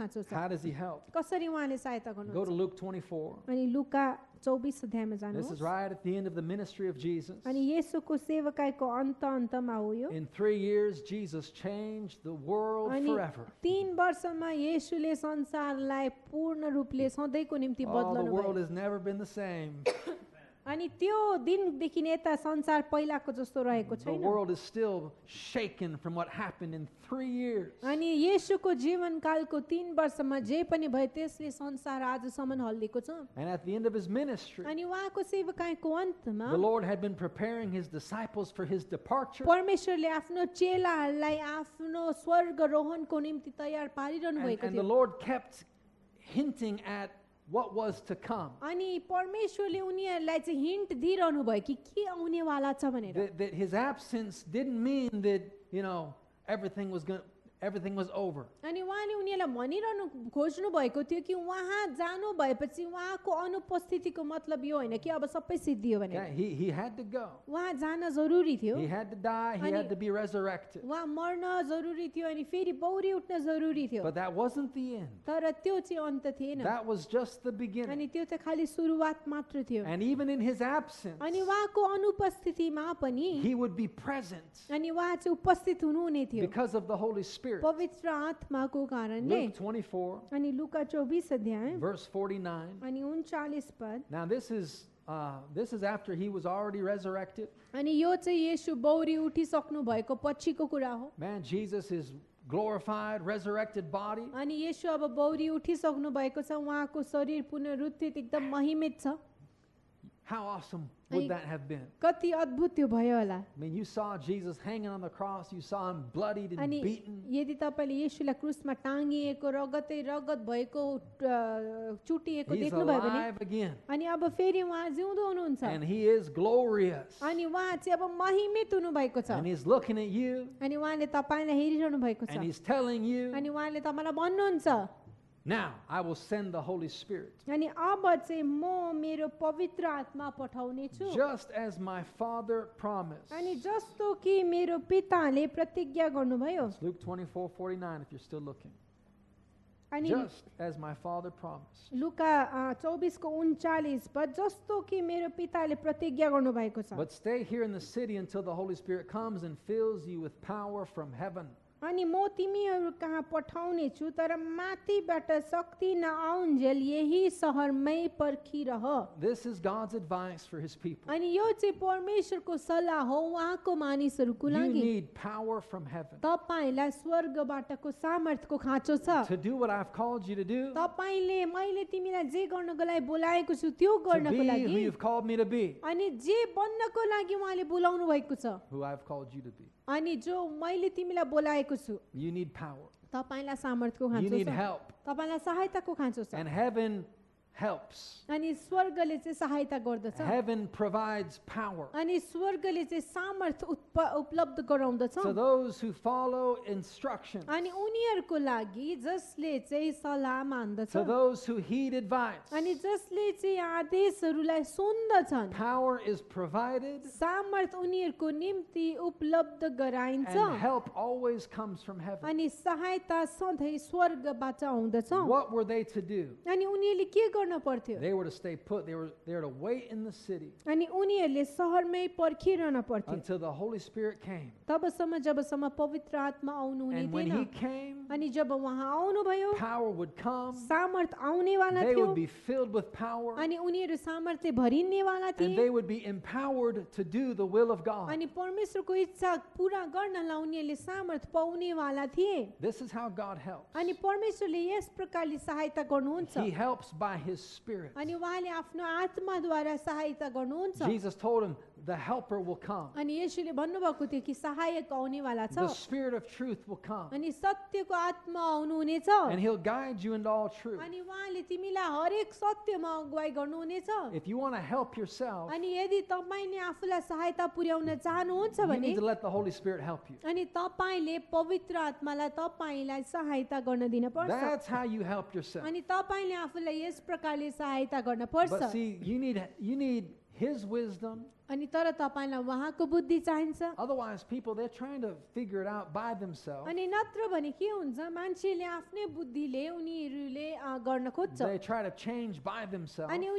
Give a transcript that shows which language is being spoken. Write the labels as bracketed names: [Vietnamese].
[English] How does He help? Go to Luke 24. [Nepali] 24 अध्यायमा जानुहोस्. [English] This is right at the end of the ministry of Jesus. [Nepali] अनि येशूको सेवकाइको अन्त्यमा हो यो. [English] In 3 years, Jesus changed the world forever. [Nepali] अनि 3 वर्षमा येशूले संसारलाई पूर्ण रूपले सधैँको निम्ति बदल्नुभयो. [English] The world has never been the same. [Nepali] अनि त्यो दिन देखि नै त संसार पहिलाको जस्तो रहेको छैन. [English] The world is still shaken from what happened in 3 years. [Nepali] अनि येशूको जीवनकालको 3 वर्षमा जे पनि भयो त्यसले संसार आजसम्म हल्लिएको छ. [English] And at the end of his ministry. [Nepali] अनि उहाँको सेवकाइको अन्तमा. [English] The Lord had been preparing his disciples for his departure. [Nepali] परमेश्वरले आफ्नो चेलाहरूलाई आफ्नो स्वर्गारोहणको निम्ति तयार पारिरहनु भएको थियो. [English] And the Lord kept hinting at what was to come. [Nepali] अनि परमेश्वरले उनीहरूलाई चाहिँ हिन्ट दिइरहनु भयो कि के आउने वाला छ भनेर. [English] That his absence didn't mean that, you know, everything was over. [Nepali] अनि उहाँले उनीहरूलाई भनिरहनु खोज्नु भएको थियो कि उहाँ जानु भएपछि उहाँको अनुपस्थितिको मतलब यो होइन कि अब सबै सिद्धियो भनेर. [English] He had to go. [Nepali] उहाँ जान जरुरी थियो. [English] He had to die, he had to be resurrected. [Nepali] उहाँ मर्न जरुरी थियो अनि फेरि बौरी उठ्न जरुरी थियो. [English] But that wasn't the end. [Nepali] तर त्यो चाहिँ अन्त थिएन. [English] That was just the beginning. [Nepali] अनि त्यो त खालि सुरुवात मात्र थियो. [English] And even in his absence. [Nepali] अनि उहाँको अनुपस्थितिमा पनि. [English] He would be present. [Nepali] अनि उहाँ चाहिँ उपस्थित हुनुहुने थियो. [English] Because of the Holy Spirit. [Nepali] पवित्र आत्माको कारणले. [English] Luke 24. [Nepali] अनि लुका 24 अध्याय. [English] Verse 49. [Nepali] अनि 39 पद. [English] Now this is after he was already resurrected. [Nepali] अनि यो चाहिँ येशू बौरी उठिसक्नु भएको पछिको कुरा हो. [English] Man, Jesus is glorified, resurrected body. [Nepali] अनि येशू अब बौरी उठिसक्नु भएको छ. उहाँको शरीर पुनरुत्थित एकदम महिमित छ. [English] How awesome would that have been? [Nepali] कति अद्भुत त्यो भयो होला. [English] I mean, you saw Jesus hanging on the cross, you saw him bloodied and beaten. [Nepali] यदि तपाईले येशूलाई क्रूसमा टाङिएको रगतै रगत भएको चुटिएको देख्नु भयो भने अनि अब फेरि उहाँ जिउँदो हुनुहुन्छ. [English] And he is glorious. [Nepali] अनि उहाँ चाहिँ अब महिमित हुनु भएको छ. [English] And he's looking at you. [Nepali] अनि उहाँले तपाईलाई हेरिरहनु भएको छ. [English] And he's telling you. [Nepali] अनि उहाँले तपाईलाई भन्नुहुन्छ. [English] Now I will send the Holy Spirit. [Nepali] अनि अब चाहिँ म मेरो पवित्र आत्मा पठाउने छु. [English] Just as my father promised. [Nepali] अनि जस्तो कि मेरो पिताले प्रतिज्ञा गर्नुभयो. [English] Luke 24:49 if you're still looking. अनि just as my father promised. [Nepali] लुका 24:39 पद जस्तो कि मेरो पिताले प्रतिज्ञा गर्नुभएको छ. [English] But stay here in the city until the Holy Spirit comes and fills you with power from heaven. [Nepali] अनि म तिमीहरू कहाँ पठाउने छु तर माथिबाट शक्ति नआउन्जेल यही सहरमै पर्खिरह. [English] This is God's advice for his people. [Nepali] अनि यो चाहिँ परमेश्वरको सल्लाह हो उहाँको मानिसहरूको लागि. [English] You need power from heaven. [Nepali] तपाईलाई स्वर्गबाटको सामर्थ्यको खाँचो छ. [English] To do what I've called you to do. [Nepali] तपाईले मैले तिमीलाई जे गर्नको लागि बोलाएको छु त्यो गर्नको लागि. [English] To be who you've called me to be. [Nepali] अनि जे बन्नको लागि उहाँले बोलाउनु भएको छ. [English] Who I've called you to be. [Nepali] अनि जो मैले तिमीलाई बोलाएको छु. [English] You need power. [Nepali] तपाईलाई सामर्थ्यको खाँचो छ. [English] You need help. [Nepali] तपाईलाई सहायताको खाँचो छ. [English] And heaven helps. [Nepali] अनि स्वर्गले चाहिँ सहायता गर्दछ. [English] Heaven provides power. [Nepali] अनि स्वर्गले चाहिँ सामर्थ्य उपलब्ध गराउँदछ. [English] So those who follow instructions. [Nepali] अनि उनीहरूको लागि जसले चाहिँ सल्लाह मान्दछ. [English] So those who heed advice. [Nepali] अनि जसले चाहिँ आदेशहरूलाई सुन्दछन्. [English] Power is provided. [Nepali] सामर्थ्य उनीहरूको निम्ति उपलब्ध गराइन्छ. [English] And help always comes from heaven. [Nepali] अनि सहायता सधैँ स्वर्गबाट आउँदछ. [English] What were they to do? [Nepali] अनि उनीहरूले के गर्न पर्थ्यो? [English] They were to stay put. They were to wait in the city. [Nepali] अनि उनीहरूले सहरमै पर्खिरहन पर्थ्यो. [English] Until the Holy Spirit came. [Nepali] तबसम्म जबसम्म पवित्र आत्मा आउनु हुने थिएन. [English] And when he came. [Nepali] अनि जब उहाँ आउनु भयो. [English] Power would come. [Nepali] सामर्थ्य आउने वाला थियो. [English] They would be filled with power. [Nepali] अनि उनीहरू सामर्थ्यले भरिने वाला थिए. [English] And they would be empowered to do the will of God. [Nepali] अनि परमेश्वरको इच्छा पूरा गर्नलाई उनीहरूले सामर्थ्य पाउने वाला थिए. [English] This is how God helps. [Nepali] अनि परमेश्वरले यस प्रकारले सहायता गर्नुहुन्छ. [English] He helps by his spirit. [Nepali] अनि उहाँले आफ्नो आत्मा द्वारा सहायता गर्नुहुन्छ. [English] Jesus told him the helper will come. [Nepali] अनि येशूले भन्नुभएको थियो कि सहायक आउने वाला छ. [English] The spirit of truth will come. [Nepali] अनि सत्यको आत्मा आउनु हुनेछ. [English] And he'll guide you into all truth. [Nepali] अनि उहाँले तिमीलाई हरेक सत्यमा अगुवाई गर्नु हुनेछ. [English] If you want to help yourself. [Nepali] अनि यदि तपाईले आफूलाई सहायता पुर्याउन चाहनुहुन्छ भने. [English] You need to let the Holy Spirit help you. [Nepali] अनि तपाईले पवित्र आत्मालाई तपाईलाई सहायता गर्न दिन पर्छ. [English] That's how you help yourself. [Nepali] अनि तपाईले आफूलाई यस प्रकारले सहायता गर्न पर्छ. [English] But see, you need His wisdom. Otherwise, people, they're trying to figure it out by themselves. They try to change by themselves.